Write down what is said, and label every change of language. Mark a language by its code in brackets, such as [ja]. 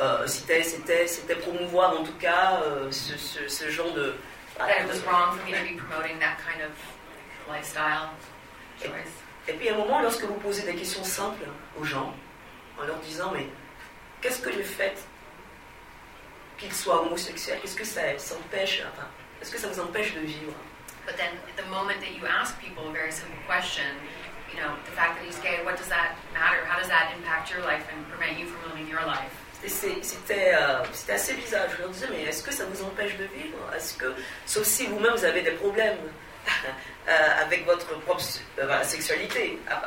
[fr] C'était promouvoir, en tout cas, ce genre de... [en] That it was wrong for me to be promoting that kind of lifestyle choice. [fr] Et puis, à un moment, lorsque vous posez des questions simples aux gens, en leur disant, mais qu'est-ce que le fait qu'il soit homosexuel, qu'est-ce que ça empêche, enfin, est-ce que ça vous empêche de vivre? [en] But then, the moment that you ask people a very simple question, the fact that he's gay, what does that matter? How does that impact your life and prevent you from living your life? [fr] C'était assez bizarre. Je leur disais, mais est-ce que ça vous empêche de vivre? Est-ce que, sauf si vous-même, vous avez des problèmes avec votre propre sexualité.